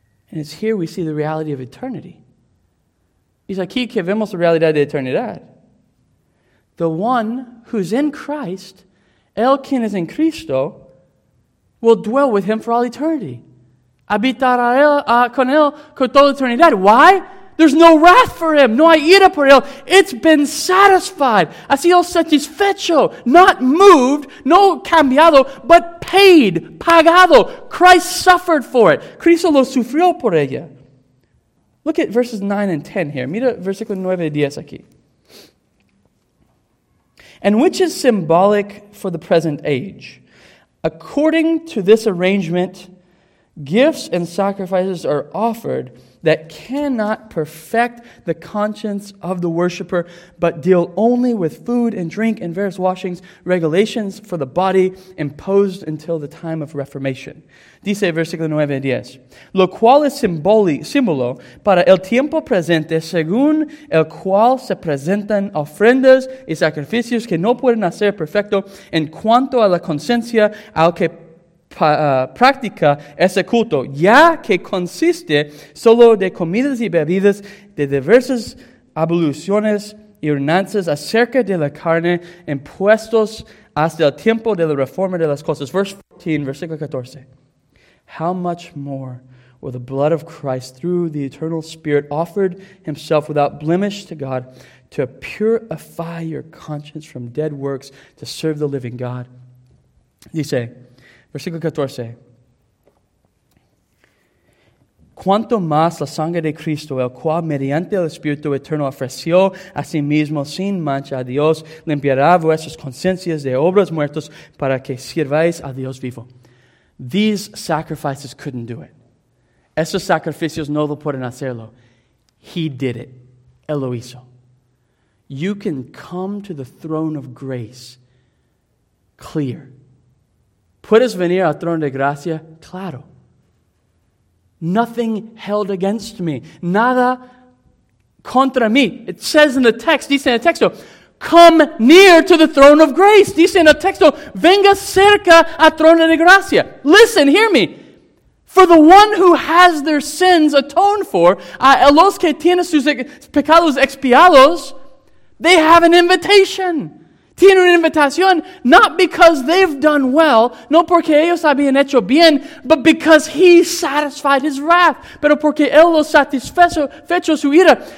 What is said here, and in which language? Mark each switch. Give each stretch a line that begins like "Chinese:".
English: And it's here we see the reality of eternity.
Spanish: Es aquí que vemos la realidad de eternidad.
English: The one who's in Christ,
Spanish: el quien es en Cristo,
English: will dwell with him for all eternity.
Spanish: Habitará con él con toda eternidad.
English: Why? There's no wrath for him.
Spanish: No hay ira por él.
English: It's been satisfied.
Spanish: Ha sido satisfecho.
English: Not moved.
Spanish: No cambiado.
English: But paid.
Spanish: Pagado.
English: Christ suffered for it.
Spanish: Cristo lo sufrió por ella.
English: Look at verses 9 and 10 here.
Spanish: Mira versículo 9 y 10 aquí.
English: And which is symbolic for the present age? According to this arrangement, gifts and sacrifices are offered that cannot perfect the conscience of the worshiper, but deal only with food and drink and various washings, regulations for the body imposed until the time of reformation.
Spanish: Dice versículo 9 y 10. Lo cual es símbolo para el tiempo presente, según el cual se presentan ofrendas y sacrificios que no pueden hacer perfecto en cuanto a la conciencia al que practica ese culto, ya que consiste solo de comidas y bebidas, de diversas abluciones y ordenanzas acerca de la carne, impuestos hasta el tiempo de la reforma de las cosas.
English: Verse 14,
Spanish: versículo 14.
English: How much more will the blood of Christ, through the eternal Spirit, offered himself without blemish to God, to purify your conscience from dead works to serve the living God?
Spanish: Dice, versículo 14. Cuanto más la sangre de Cristo, el cual mediante el Espíritu Eterno ofreció a sí mismo sin mancha a Dios, limpiará vuestras conciencias de obras muertas para que sirváis a Dios vivo.
English: These sacrifices couldn't do it.
Spanish: Esos sacrificios no lo pueden hacerlo.
English: He did it.
Spanish: Él lo hizo.
English: You can come to the throne of grace clear.
Spanish: ¿Puedes venir al trono de gracia? Claro.
English: Nothing held against me.
Spanish: Nada contra mí.
English: It says in the text,
Spanish: dice en el texto,
English: come near to the throne of grace.
Spanish: Dice en el texto, venga cerca al trono de gracia.
English: Listen, hear me. For the one who has their sins atoned for,
Spanish: a los que tienen sus pecados expiados,
English: they have an invitation.
Spanish: Tienen una invitación,
English: not because they've done well,
Spanish: no porque ellos habían hecho bien,
English: but because he satisfied his wrath,
Spanish: pero porque él lo satisfecho su ira.